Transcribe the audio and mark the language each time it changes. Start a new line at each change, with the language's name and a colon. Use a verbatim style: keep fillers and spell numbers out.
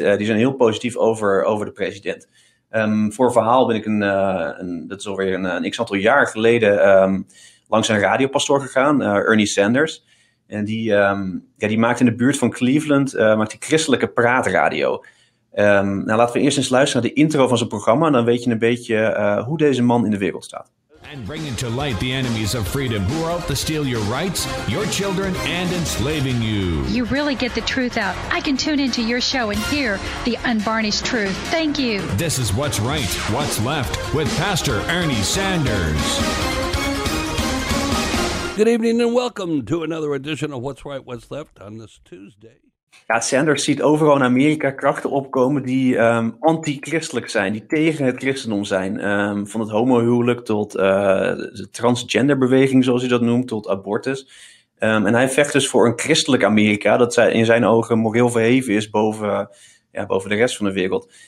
Dutch: Uh, die zijn heel positief over, over de president. Um, voor verhaal ben ik een, uh, een dat is alweer een, een x-aantal jaar geleden um, langs een radiopastoor gegaan, uh, Ernie Sanders. En die, um, ja, die maakt in de buurt van Cleveland uh, maakt die christelijke praatradio. Um, nou, laten we eerst eens luisteren naar de intro van zijn programma. En dan weet je een beetje uh, hoe deze man in de wereld staat.
English: And bringing to light the enemies of freedom who are out to steal your rights, your children, and enslaving you. You really get the truth out. I can tune into your show and hear the unvarnished truth. Thank you. This is What's Right, What's Left with Pastor Ernie Sanders. Good evening and welcome to another edition of What's Right, What's Left on this Tuesday.
Dutch: Ja, Sanders ziet overal in Amerika krachten opkomen die um, anti-christelijk zijn, die tegen het christendom zijn. Um, van het homohuwelijk tot uh, de transgenderbeweging, zoals hij dat noemt, tot abortus. Um, en hij vecht dus voor een christelijk Amerika dat zij, in zijn ogen moreel verheven is boven, ja, boven de rest van de wereld.